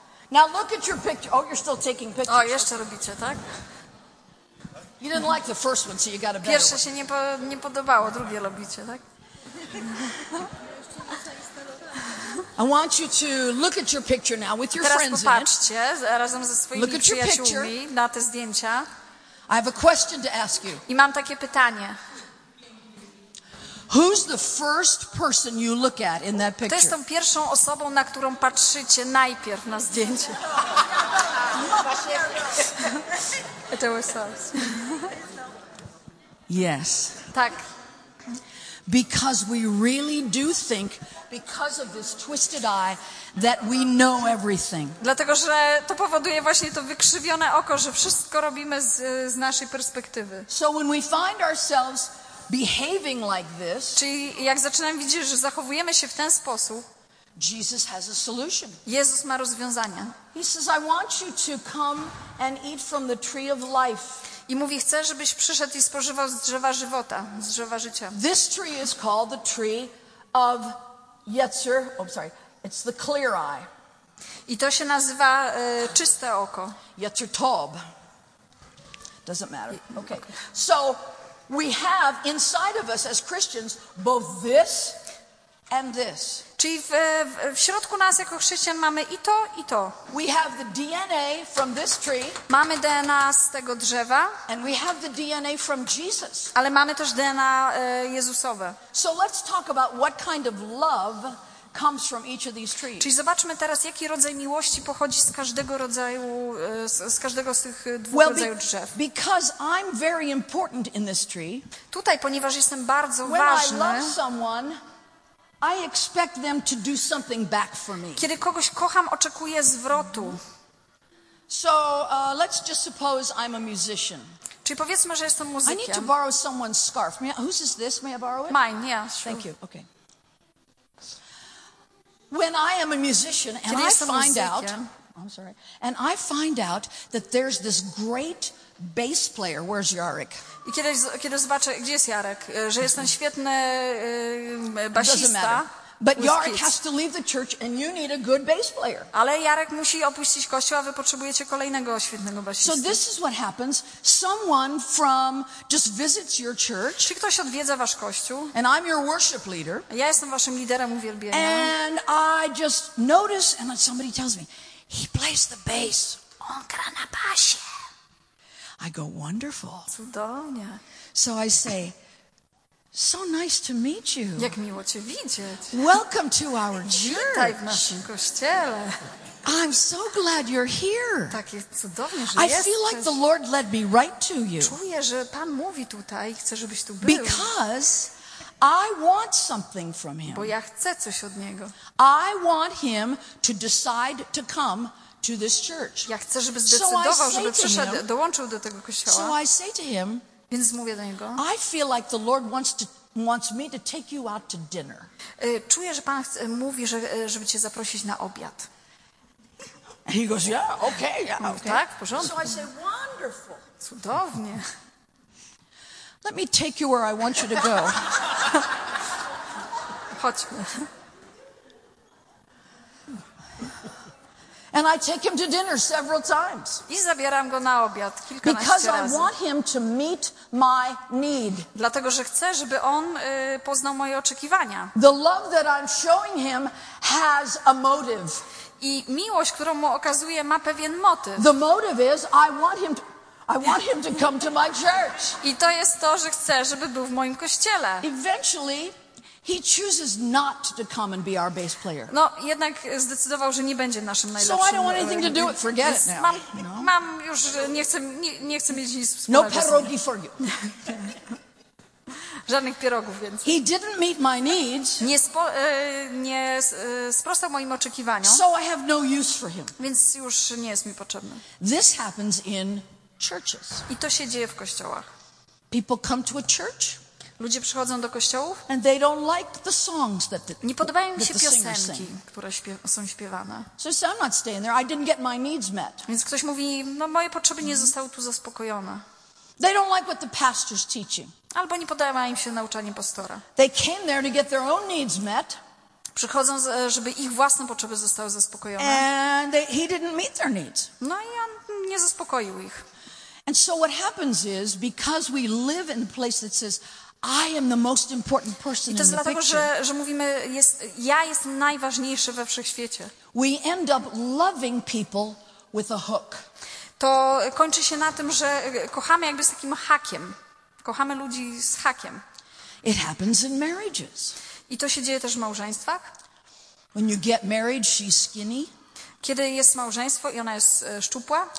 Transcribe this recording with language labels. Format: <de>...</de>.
<en>Now look at your picture. Oh, you're still taking pictures.</en> <pl>Oh, jeszcze robicie, tak?</pl> <en>You didn't like the first one, so you got a better</en> <pl>pierwsze</pl> <en>one.</en> <pl>Pierwsze się nie podobało, drugie robicie, tak?</pl> <en>I want you to look at your picture now with your friends in it.</en> <pl>Teraz popatrzcie razem ze swoimi przyjaciółmi na te zdjęcia.</pl> <en>I have a question to ask you.</en> <pl>I mam takie pytanie.</pl> <en>Who's the first person you look at in that picture?</en> <pl>Kto jest tą pierwszą osobą, na którą patrzycie najpierw na zdjęcie?</pl> <en>It was us. Yes.</en> <pl>Tak.</pl> <en>Because we really do think, because of this twisted eye, that we know everything.</en> <pl>Dlatego, że to powoduje właśnie to wykrzywione oko, że wszystko robimy z naszej perspektywy.</pl> <en>So when we find ourselves behaving like this,</en> <pl>czyli jak zaczynamy widzieć, że zachowujemy się w ten sposób,</pl> <en>Jesus has a solution.</en> <pl>Jezus ma rozwiązanie.</pl> <en>He says, I want you to come and eat from the tree of life.</en> <pl>I mówi, chcę, żebyś przyszedł i spożywał z drzewa żywota, z drzewa życia.</pl> <en>This tree is called the tree of Yetzer. Oh, sorry, it's the clear eye.</en> <pl>I to się nazywa czyste oko.</pl> <en>Yetzer Tob. Doesn't matter. Okay. So we have inside of us as Christians both this and this.</en> <pl>Czyli w środku nas jako chrześcijan mamy i to, i to.</pl> <en>We have the DNA from this tree,</en> <pl>mamy DNA z tego drzewa,</pl> <en>and we have the DNA from Jesus.</en> <pl>Ale mamy też DNA Jezusowe.</pl> <en>So let's talk about what kind of love comes from each of these trees.</en> <pl>Czyli zobaczmy teraz, jaki rodzaj miłości pochodzi z każdego rodzaju, z każdego z tych dwóch rodzajów drzew.</pl> <en>Because I'm very important in this tree,</en> <pl>tutaj, ponieważ jestem bardzo</pl> <en>when</en> <pl>ważny,</pl> <en>I love someone, I expect them to do something back for me.</en> <pl>Kiedy kogoś kocham, oczekuję zwrotu.</pl> <en>So, let's just suppose I'm a musician.</en> <pl>Czyli powiedzmy, że jestem muzykiem.</pl> <en>I need to borrow someone's scarf. May I, whose is this? May I borrow it? Mine, yeah. Sure. Thank you. Okay. When I am a musician and</en> <pl>kiedy</pl> <en>I find</en> <pl>muzykiem,</pl> <en>out, I'm sorry. And I find out that there's this great bass player. Where's Jarek?</en> <pl>I kiedy zobaczę, gdzie jest Jarek, że jest ten świetny basista.</pl> <en>But Jarek has to leave the church and you need a good bass player.</en> <pl>Ale Jarek musi opuścić kościół, a wy potrzebujecie kolejnego świetnego basisty.</pl> <en>So this is what happens. Someone from just visits your church.</en> <pl>Czy ktoś odwiedza wasz kościół?</pl> <en>And I'm your worship leader.</en> <pl>Ja jestem waszym liderem uwielbienia.</pl> <en>And I just notice and somebody tells me, he plays the bass.</en> <pl>On gra na basie.</pl> <en>I go, wonderful.</en> <pl>Cudownie.</pl> <en>So I say, so nice to meet you.</en> <pl>Jak miło cię widzieć.</pl> <en>Welcome to our church.</en> <pl>Witaj w naszym kościele.</pl> <en>I'm so glad you're here.</en> <pl>Tak jest cudownie, że</pl> <en>I</en> <pl>jesteś.</pl> <en>Feel like the Lord led me right to you.</en> <pl>Czuję, że Pan mówi tutaj i chce, żebyś tu był.</pl> <en>Because I want something from him.</en> <pl>Bo ja chcę coś od niego.</pl> <en>I want him to decide to come to this church.</en> <pl>Ja chcę, żeby zdecydował, żeby przyszedł, dołączył do tego kościoła.</pl> <en>So I say to him,</en> <pl>więc mówię do niego.</pl> <en>I feel like the Lord wants me to take you out to dinner.</en> <pl>Czuję, że Pan mówi, żeby cię zaprosić na obiad.</pl> <en>And he goes, yeah, okay, yeah, okay.</en> <pl>Tak, w porządku.</pl> <en>So I say, wonderful.</en> <pl>Cudownie.</pl> <en>Let me take you where I want you to go.</en> <pl>Chodźmy.</pl> <en>And I take him to dinner several times.</en> <pl>I zabieram go na obiad kilkanaście razy.</pl> <en>Because I want him to meet my need.</en> <pl>Dlatego, że chcę, żeby on poznał moje oczekiwania.</pl> <en>The love that I'm showing him has a motive.</en> <pl>I miłość, którą mu okazuję, ma pewien motyw.</pl> <en>The motive is I want him to come to my church.</en> <pl>I to jest to, że chcę, żeby był w moim kościele.</pl> <en>Eventually he chooses not to come and be our bass player.</en> <pl>No, jednak zdecydował, że nie będzie naszym najlepszym.</pl> <en>So I don't want anything to do with it. Forget it now.</en> <pl>Mam już, nie chcę mieć nic wspólnego.</pl> <en>No pierogi for you.</en> <pl>Żadnych pierogów, więc.</pl> <en>He didn't meet my needs.</en> <pl>Nie sprostał moim oczekiwaniom.</pl> <en>So I have no use for him.</en> <pl>Więc już nie jest mi potrzebny.</pl> <en>This happens in churches.</en> <pl>I to się dzieje w kościołach.</pl> <en>People come to a church.</en> <pl>Ludzie przychodzą do kościołów.</pl> <en>And they don't like the songs that the,</en> <pl>nie podobają im się piosenki, które są śpiewane.</pl> <en>So I'm not staying there. I didn't get my needs met.</en> <pl>Więc ktoś mówi, no moje potrzeby nie zostały tu zaspokojone.</pl> <en>They don't like what the pastor's teaching.</en> <pl>Albo nie podoba im się nauczanie pastora.</pl> <en>They came there to get their own needs met.</en> <pl>Przychodzą, żeby ich własne potrzeby zostały zaspokojone.</pl> <en>And he didn't meet their needs.</en> <pl>No i on nie zaspokoił ich.</pl> <en>And so what happens is, because we live in a place that says, I am the most important person in the picture.</en> <pl>I to dlatego, że mówimy, ja jestem najważniejszy we wszechświecie.</pl> <en>We end up loving people with a hook.</en> <pl>To kończy się na tym, że kochamy jakby z takim hakiem. Kochamy ludzi z hakiem.</pl> <en>It happens in marriages.</en> <pl>I to się dzieje też w małżeństwach.</pl> <en>When you get married, she's skinny.</en> <pl>Kiedy jest małżeństwo i ona jest szczupła.</pl>